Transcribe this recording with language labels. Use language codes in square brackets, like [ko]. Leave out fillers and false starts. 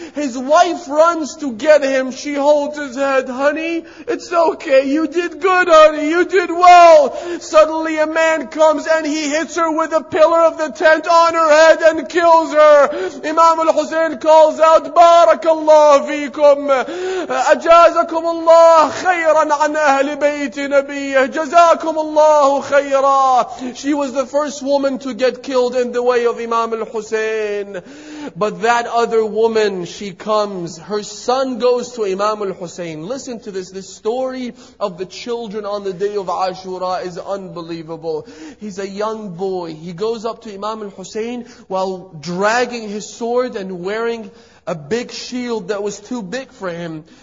[en] His wife runs to get him. She holds his head. Honey, it's okay. You did good, honey. You did well. Suddenly a man comes and he hits her with a pillar of the tent on her head and kills her. Imam al-Hussein calls out, [ar] Barakallah feekum. أجازكم الله خيرا عن أهل بيت نبيه جزاكم الله خيرا. [en] She was the first woman to get killed in the way of Imam al-Hussein. But that other woman, she comes, her son goes to Imam al-Hussein. Listen to this, this story of the children on the day of Ashura is unbelievable. He's a young boy, he goes up to Imam al-Hussein while dragging his sword and wearing a big shield that was too big for him.